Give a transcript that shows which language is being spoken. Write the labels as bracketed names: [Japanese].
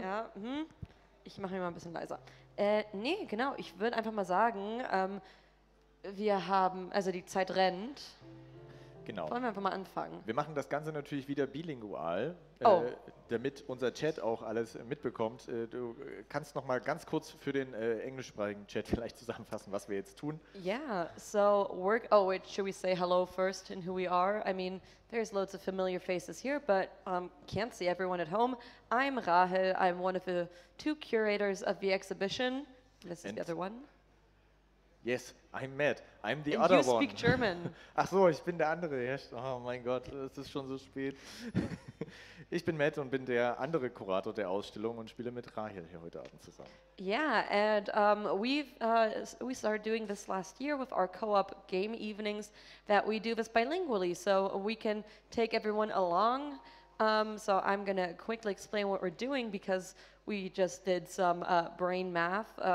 [German] Ja, ich mache mich mal ein bisschen leiser. Genau, ich würde einfach mal sagen, wir haben, also die Zeit rennt. Genau. Wollen wir einfach mal anfangen. Wir machen das Ganze natürlich wieder bilingual, damit unser Chat auch alles mitbekommt. Du kannst noch mal ganz kurz für den englischsprachigen Chat vielleicht zusammenfassen, was wir jetzt tun. [English] Yeah, so work. Oh wait, should we say hello first and who we are? I mean, there's loads of familiar faces here, but can't see everyone at home. I'm Rahel. I'm one of the two curators of the exhibition. This is and the other one. Yes, I'm Matt. I'm the And other one. Speak German. [German] Ach so, ich bin der andere. Oh mein Gott, es ist schon so spät. Ich bin Matt und bin der andere Kurator der Ausstellung und spiele mit Rahel hier heute Abend zusammen. [English] Yeah, and we started doing this last year with our co-op game evenings that we do this bilingually, so we can take everyone along. So I'm going to quickly explain what we're doing because we just did some brain math.